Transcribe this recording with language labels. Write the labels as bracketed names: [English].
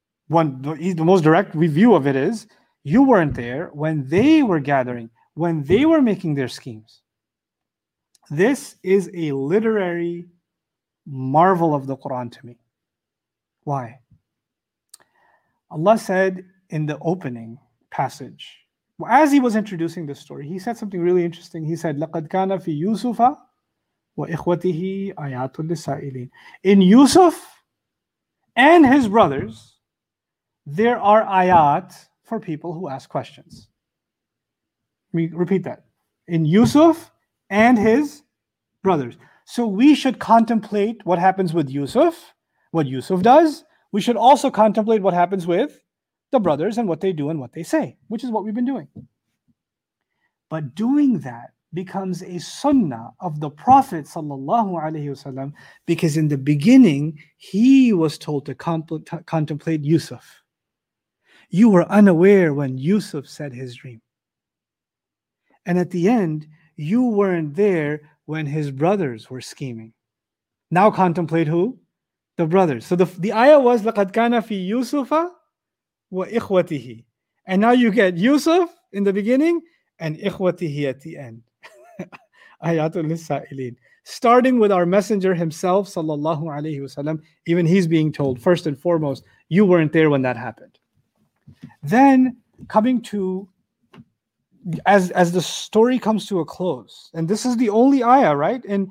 [English] The most direct review of it is, you weren't there when they were gathering, when they were making their schemes. This is a literary marvel of the Quran to me. Why? Allah said in the opening passage, as he was introducing the story, he said something really interesting. He said, [Arabic] لَقَدْ كَانَ فِي يُوسُفَ وَإِخْوَتِهِ آيَاتٌ لِلسَّائِلِينَ. [English] In Yusuf and his brothers, there are ayat for people who ask questions. Let me repeat that. In Yusuf and his brothers. So we should contemplate what happens with Yusuf, what Yusuf does. We should also contemplate what happens with the brothers and what they do and what they say, which is what we've been doing. But doing that becomes a sunnah of the Prophet sallallahu alaihi wasallam, because in the beginning, he was told to contemplate Yusuf. You were unaware when Yusuf said his dream. And at the end, you weren't there when his brothers were scheming. Now contemplate who? The brothers. So the ayah was, [Arabic] لَقَدْ كَانَ فِي يُوسُفَ وَإِخْوَتِهِ. [English] And now you get Yusuf in the beginning and إِخْوَتِهِ at the end. Ayatul لِلسَّائِلِينَ. Starting with our messenger himself, sallallahu alayhi wasallam, even he's being told, first and foremost, you weren't there when that happened. Then coming to, as the story comes to a close, and this is the only ayah, right?